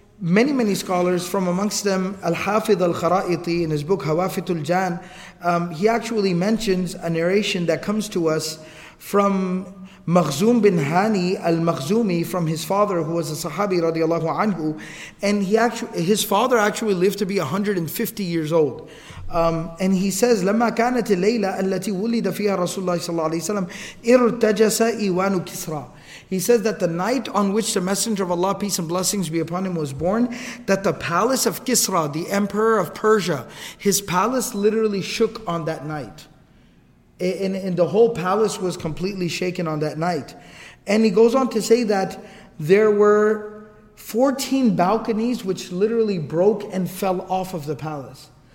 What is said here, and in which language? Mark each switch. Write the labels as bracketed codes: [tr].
[en] many, many scholars, from amongst them Al-Hafidh Al-Kharaiti in his book Hawafit Al-Jan, he actually mentions a narration that comes to us from Makhzum bin Hani Al-Makhzumi, from his father, who was a Sahabi radiallahu anhu, and his father actually lived to be 150 years old. And he says, [ar] لَمَّا كَانَتِ اللَّيْلَةَ الَّتِي وُلِّدَ فِيهَا رَسُولُ اللَّهِ صَلَّى اللَّهِ عَلَيْهِ وَسَلَّمَ إِرْتَجَسَ إِوَانُ كِسْرَى. [en] He says that the night on which the Messenger of Allah, peace and blessings be upon him, was born, that the palace of Kisra, the emperor of Persia, his palace literally shook on that night. And the whole palace was completely shaken on that night. And he goes on to say that there were 14 balconies which literally broke and fell off of the palace.